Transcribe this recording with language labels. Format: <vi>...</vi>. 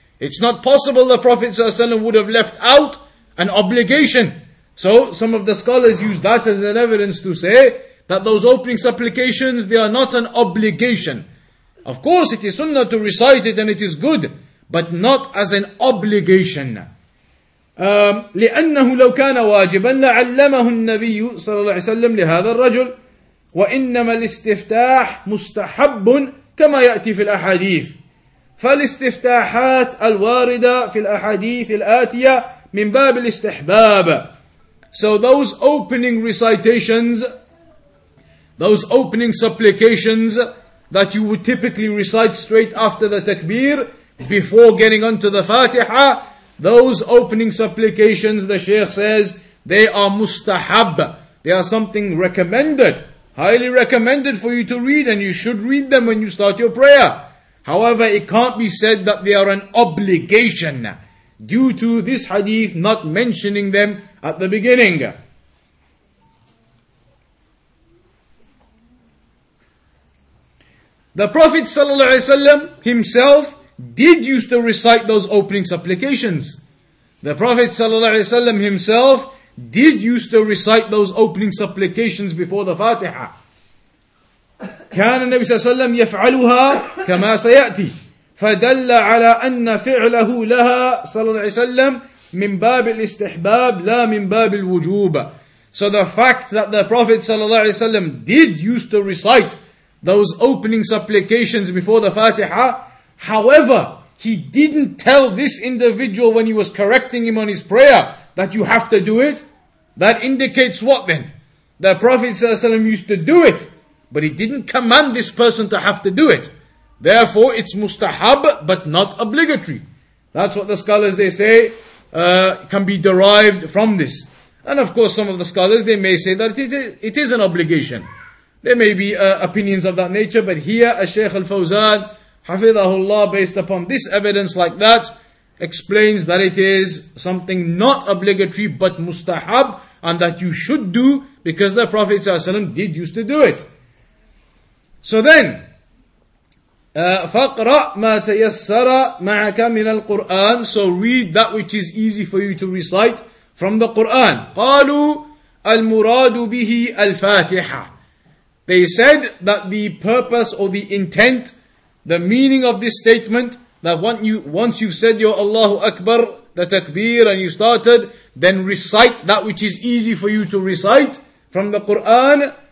<en>It's not possible the Prophet ﷺ would have left out an obligation. So some of the scholars use that as an evidence to say that those opening supplications, they are not an obligation. Of course it is sunnah to recite it and it is good, but not as an obligation.</en> <ar>لأنه لو كان واجبا لعلمه النبي صلى الله عليه وسلم لهذا الرجل وإنما الاستفتاح مستحب ك كما يأتي في الأحاديث. فالاستفتاحات الواردة في الأحاديث الآتية من باب الاستحباب.</ar> <en>So those opening recitations, those opening supplications that you would typically recite straight after the takbir, before getting onto the Fatiha, those opening supplications, the Shaykh says, they are mustahab. They are something recommended, highly recommended for you to read, and you should read them when you start your prayer. However, it can't be said that they are an obligation due to this hadith not mentioning them at the beginning. The Prophet ﷺ himself did used to recite those opening supplications. The Prophet ﷺ himself did used to recite those opening supplications before the Fatiha.</en> <ar>كان النبي صلى الله عليه وسلم يفعلها كما سيأتي فدل على أن فعله لها صلى الله عليه وسلم من باب الاستحباب لا من باب الوجوب.</ar> <en>So the fact that the Prophet صلى الله عليه وسلم did used to recite those opening supplications before the Fatiha, however, he didn't tell this individual when he was correcting him on his prayer that you have to do it, that indicates what then? The Prophet صلى الله عليه وسلم used to do it, but he didn't command this person to have to do it. Therefore, it's mustahab, but not obligatory. That's what the scholars, they say, can be derived from this. And of course, some of the scholars, they may say that it is an obligation. There may be opinions of that nature, but here, as Shaykh Al-Fawzan, Hafidhahullah, based upon this evidence like that, explains that it is something not obligatory, but mustahab, and that you should do, because the Prophet ﷺ did used to do it. So then,</en> <ar>فَقْرَأْ مَا تَيَسَّرَ مَعَكَ مِنَ الْقُرْآنِ.</ar> <en>So read that which is easy for you to recite from the Qur'an.</en> <ar>قَالُوا الْمُرَادُ بِهِ الْفَاتِحَةِ.</ar> <en>They said that the purpose or the intent, the meaning of this statement, that once you've said your Allahu Akbar, the takbir, and you started, then recite that which is easy for you to recite from the Qur'an.</en>